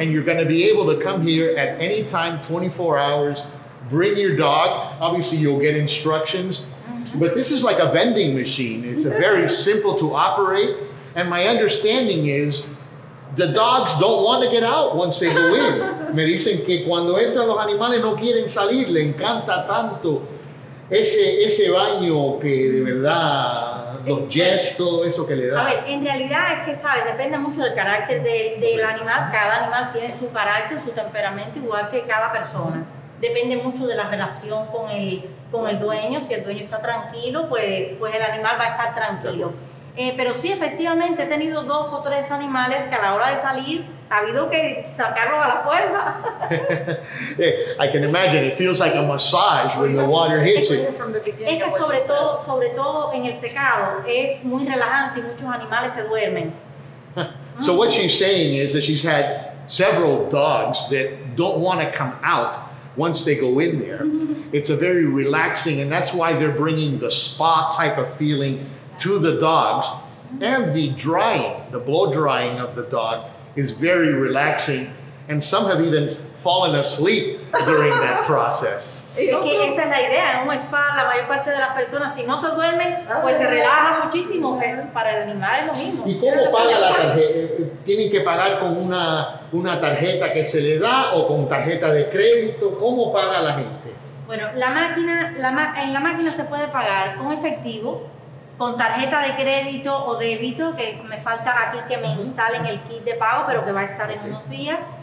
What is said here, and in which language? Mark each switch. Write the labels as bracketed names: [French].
[English] And you're going to be able to come here at any time, 24 hours, bring your dog. Obviously, you'll get instructions. But this is like a vending machine. It's a very simple to operate. And my understanding is the dogs don't want to get out once they go in. [Spanish] Me dicen que cuando entran los animales no quieren salir. Le encanta tanto ese baño que de verdad los jets, todo eso que le da. A ver, en realidad es que, ¿sabes? Depende mucho del carácter del animal. Cada animal tiene su carácter, su temperamento, igual que cada persona. Depende mucho de la relación con el dueño. Si el dueño está tranquilo, pues el animal va a estar tranquilo. Pero sí, efectivamente, he tenido dos o tres animales que a la hora de salir ha habido que sacarlos a la fuerza. [English] I can imagine, it feels like a massage when the water hits it. [Spanish] Es que sobre todo en el secado, es muy relajante y muchos animales se duermen. [English] So what she's saying is that she's had several dogs that don't want to come out. once they go in there. Mm-hmm. It's a very relaxing, and that's why they're bringing the spa type of feeling to the dogs. Mm-hmm. And the drying, the blow drying of the dog is very relaxing. And some have even fallen asleep during that process. [Spanish] Okay, esa es la idea. En un spa, la mayor parte de las personas, si no se duermen, pues se relaja muchísimo para el animal lo mismo. ¿Y cómo paga la tarjeta? ¿Tienen que pagar con una tarjeta que se le da o con tarjeta de crédito? ¿Cómo paga la gente? Bueno, en la máquina se puede pagar con efectivo, con tarjeta de crédito o débito, que me falta aquí que me instalen el kit de pago, pero que va a estar en unos días.